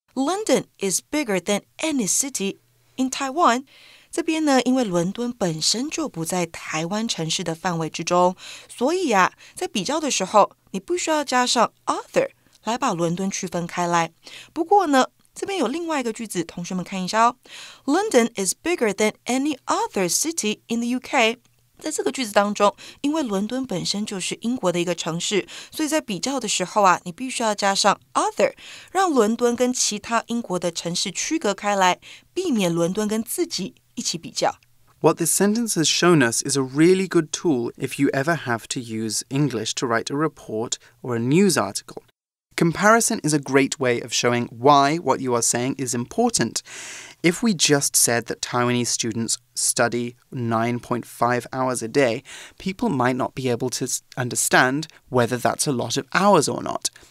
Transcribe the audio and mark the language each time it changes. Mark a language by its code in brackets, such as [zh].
[en] London is bigger than any city in Taiwan. [zh] 这边呢，因为伦敦本身就不在台湾城市的范围之中，所以啊，在比较的时候，你不需要加上 other 来把伦敦区分开来。不过呢，这边有另外一个句子，同学们看一下哦。 [en] London is bigger than any other city in the UK. [zh] 在这个句子当中，因为伦敦本身就是英国的一个城市，所以在比较的时候啊，你必须要加上 other， 让伦敦跟其他英国的城市区隔开来，避免伦敦跟自己一起比较。 [en] What this sentence has shown us is a really good tool if you ever have to use English to write a report or a news article. Comparison is a great way of showing why what you are saying is important. If we just said that Taiwanese students study 9.5 hours a day, people might not be able to understand whether that's a lot of hours or not.